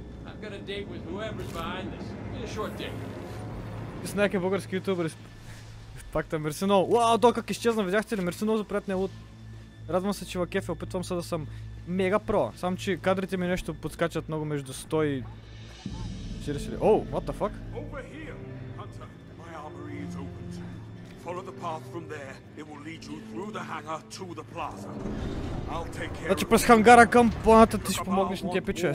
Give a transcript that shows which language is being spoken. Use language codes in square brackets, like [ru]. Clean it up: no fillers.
[en] I've got a date with whoever's behind this. Give me a short date. [bg] С някакъв български ютубер. Пакта, мерси много. Уау, то как изчезна, видяхте ли? Мерси много за приятния лут. Радвам се, че вакеф е, опитвам се да съм мега про. Само че кадрите ми нещо подскачат много между 100 и... 40 ли? [en] Оу, what the fuck? Over here, Hunter. My armory is opened. Follow the path from there. It will lead you through the hangar to the plaza. [bg] Значи през хангара към планата ти ще помогнеш на тия пичове.